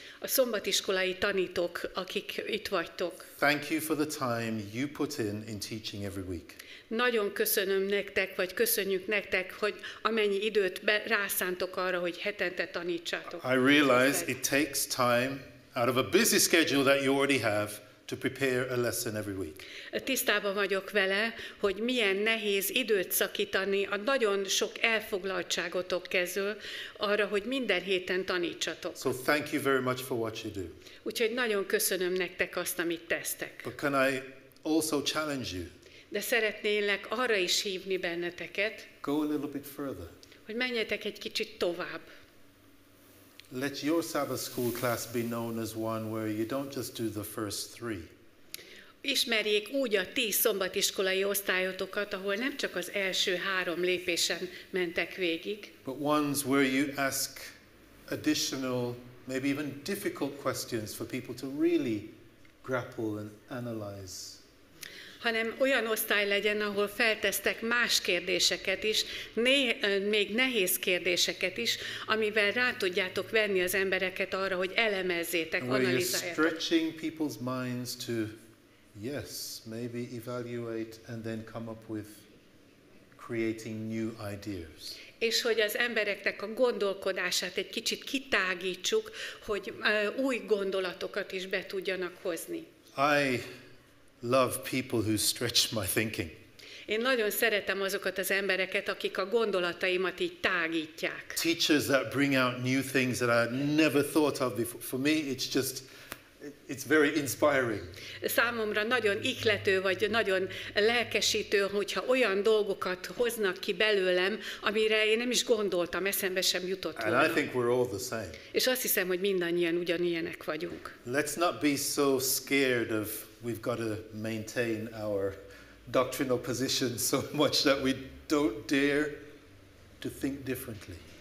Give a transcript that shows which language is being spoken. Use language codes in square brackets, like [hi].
[hu] a szombatiskolai tanítók, akik itt vagytok. [en] Thank you for the time you put in teaching every week. [hu] Nagyon köszönöm nektek, vagy köszönjük nektek, hogy amennyi időt rászántok arra, hogy hetente tanítsátok. [en] I realize it takes time out of a busy schedule that you already have to prepare a lesson every week. [hu] Tisztában vagyok vele, hogy milyen nehéz időt szakítani a nagyon sok elfoglaltságotok kezül arra, hogy minden héten tanítsatok. [en] So thank you very much for what you do. [hu] Úgyhogy nagyon köszönöm nektek azt, amit tesztek. [en] But can I also challenge you? [hu] De szeretnélek arra is hívni benneteket, [en] go a little bit further. [hu] Hogy menjetek egy kicsit tovább. [en] Let your Sabbath school class be known as one where you don't just do the first three. [hu] Ismerjék úgy a ti szombatiskolai osztályotokat, ahol nem csak az első három lépésen mentek végig. [en] But ones where you ask additional, maybe even difficult questions for people to really grapple and analyze. [hu] Hanem olyan osztály legyen, ahol feltesztek más kérdéseket is, még nehéz kérdéseket is, amivel rá tudjátok venni az embereket arra, hogy elemezzétek, analizáljátok. [en] And where you're stretching people's minds to, yes, maybe evaluate and then come up with creating new ideas. [hu] És hogy az embereknek a gondolkodását egy kicsit kitágítsuk, hogy új gondolatokat is be tudjanak hozni. [en] I love people who stretch my thinking. [hu] Én nagyon szeretem azokat az embereket, akik a gondolataimat így tágítják. [en] Teachers that bring out new things that I never thought of before. For me, it's very inspiring. [hu] Számomra nagyon ihlető vagy nagyon lelkesítő, hogyha olyan dolgokat hoznak ki belőlem, amire én nem is gondoltam, eszembe sem jutott volna. [en] And I think we're all the same. [hu] És azt hiszem, hogy mindannyian ugyanilyenek vagyunk. [en] Let's not be so scared of we've got to maintain our doctrinal position so much that we don't dare to think differently.